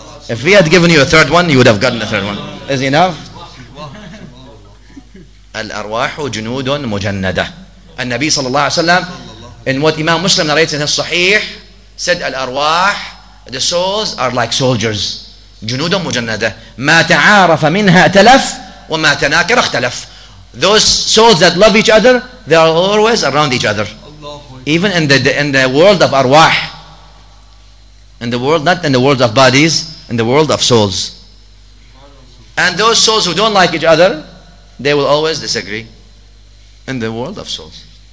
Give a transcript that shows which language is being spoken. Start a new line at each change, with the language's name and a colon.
English: If he had given you a third one, you would have gotten a third one. Is he enough?
Arabic: Al-arwahu junudun mujannada.
English: An-Nabi sallallahu alayhi wa sallam, in what Imam Muslim narrates in his Sahih, said al-arwah, the souls are like soldiers.
Arabic: جنود مجندة. ما تعارف منها تلف وما تناكر اختلف.
English: Those souls that love each other, they are always around each other. Even in the world of arwah. In the world, not in the world of bodies, in the world of souls. And those souls who don't like each other, they will always disagree. In the world of souls.